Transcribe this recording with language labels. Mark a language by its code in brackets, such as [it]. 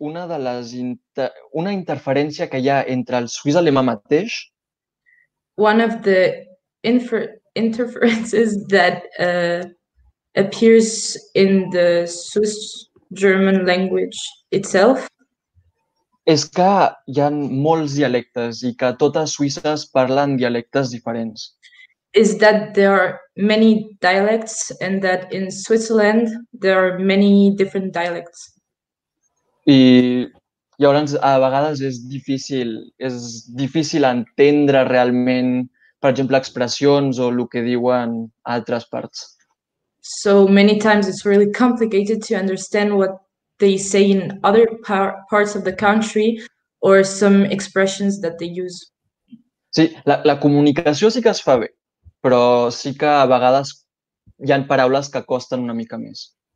[ca] una interferència que hi ha entre el suís alemà mateix, [en] one of the interferences that appears in the Swiss German language itself, [ca] és que hi ha molts dialectes I que totes suïsses parlen dialectes diferents. [en] Is that there are many dialects and that in Switzerland there are many different dialects. [ca] I llavors a vegades és difícil entendre realment, per exemple, expressions o el que diuen altres parts. [en] So many times it's really complicated to understand what they say in other parts of the country or some expressions that they use. [ca] Sí, la comunicació sí que es fa bé, però sí que a vegades hi han paraules que costen una mica més.